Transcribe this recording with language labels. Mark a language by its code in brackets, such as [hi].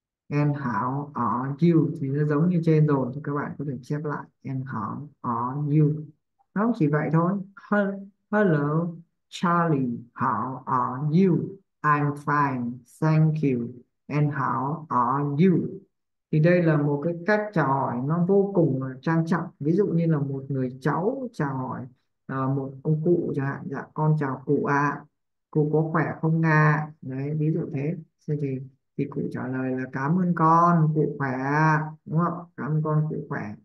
[en] And how are you [vi] thì nó giống như trên rồi, thì các bạn có thể chép lại [en] and how are you, [vi] nó chỉ vậy thôi. [en] Hello Charlie, how are you? I'm fine, thank you. And how are you? [vi] Thì đây là một cái cách chào hỏi nó vô cùng là trang trọng. Ví dụ như là một người cháu chào hỏi một ông cụ chẳng hạn, dạ con chào cụ ạ, à, cụ có khỏe không ạ? À? Đấy, ví dụ thế. Thì cụ trả lời là cảm ơn con, cụ khỏe ạ, đúng không? Cảm ơn con, cụ khỏe.